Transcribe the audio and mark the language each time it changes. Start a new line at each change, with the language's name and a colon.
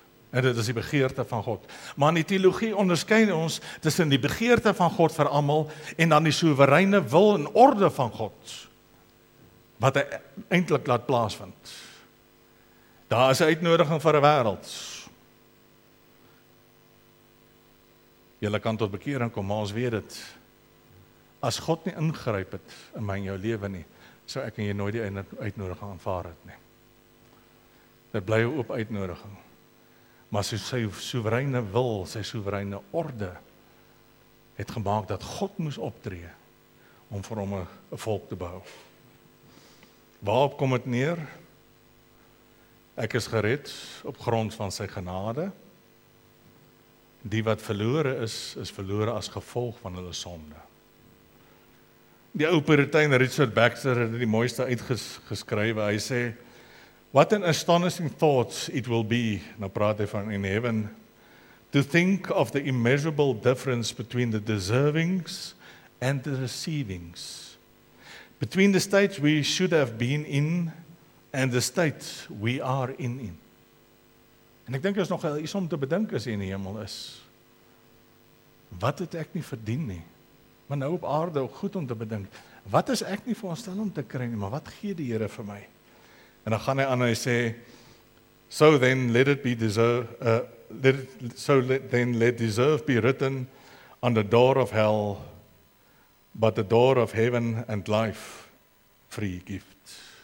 Afrikaans: En dit is die begeerte van God. Maar in die teologie onderskei ons tussen die begeerte van God vir almal en dan die soewereine wil en orde van God wat hy eintlik laat plaasvind. Daar is 'n uitnodiging vir die wêreld. Julle kan tot bekering kom, maar ons weet dit. As God nie ingryp het in my en jou lewe nie, sou ek en jy nooit die uitnodiging aanvaar het nie. Dit bly 'n oop uitnodiging. Maar sy soewereine wil, sy soewereine orde, het gemaak dat God moes optree om vir hom 'n volk te bou. Waarop kom het neer? Ek is gered op grond van sy genade. Die wat verlore is, is verlore as gevolg van hulle sonde. Die ou Puritein Richard Baxter het die mooiste uitgeskrywe. Hy sê,
English: "What an astonishing thought it will be,"
Afrikaans: nou praat hy van in
English: heaven, "to think of the immeasurable difference between the deservings and the receivings, between the state we should have been in and the state we are in."
Afrikaans: En ek dink is nog iets om te bedink as hy in die hemel is. Wat het ek nie verdien nie? Maar nou op aarde, goed om te bedink. Wat is ek nie veronderstel om te kry nie, maar wat gee die Here vir my? En dan gaan hy aan en hy sê,
English: So let deserve be written on the door of hell, but the door of heaven and life, free gift.